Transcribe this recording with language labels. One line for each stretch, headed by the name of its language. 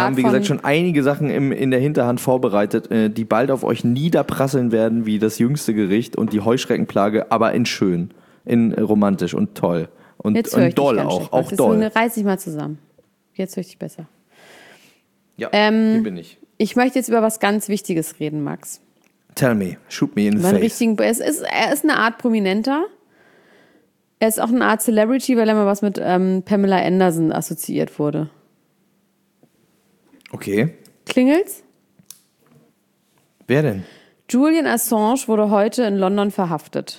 German: haben, wie gesagt, schon einige Sachen in der Hinterhand vorbereitet, die bald auf euch niederprasseln werden, wie das jüngste Gericht und die Heuschreckenplage, aber in schön, in romantisch und toll. Und, jetzt höre ich und doll dich ganz auch. Auch doll. Reiß dich mal zusammen. Jetzt höre ich dich besser. Ja, hier bin ich. Ich möchte jetzt über was ganz Wichtiges reden, Max.
English: Tell me, shoot me in the face.
German: Er ist eine Art Prominenter. Er ist auch eine Art Celebrity, weil er mal was mit Pamela Anderson assoziiert wurde. Okay. Klingelt's? Wer denn? Julian Assange wurde heute in London verhaftet.